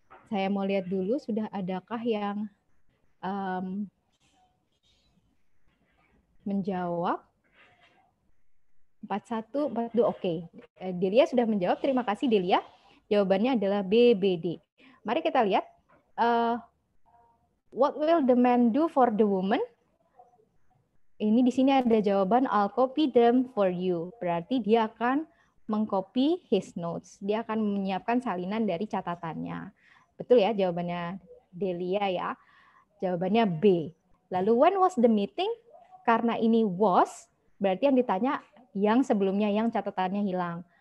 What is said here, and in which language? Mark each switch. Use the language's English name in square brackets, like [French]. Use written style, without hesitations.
[Indonesian] Saya mau lihat dulu sudah adakah yang menjawab. 41, 42, oke. Okay. Delia sudah menjawab, terima kasih Delia. Jawabannya adalah BBD. Mari kita lihat. [English] What will the man do for the woman? [Indonesian] Ini di sini ada jawaban, [English] I'll copy them for you. [Indonesian] Berarti dia akan mengcopy [English] his notes. [Indonesian] Dia akan menyiapkan salinan dari catatannya. Betul ya jawabannya Delia ya. Jawabannya B. Lalu [English] when was the meeting? [Indonesian] Karena ini was, berarti yang ditanya yang sebelumnya yang catatannya hilang.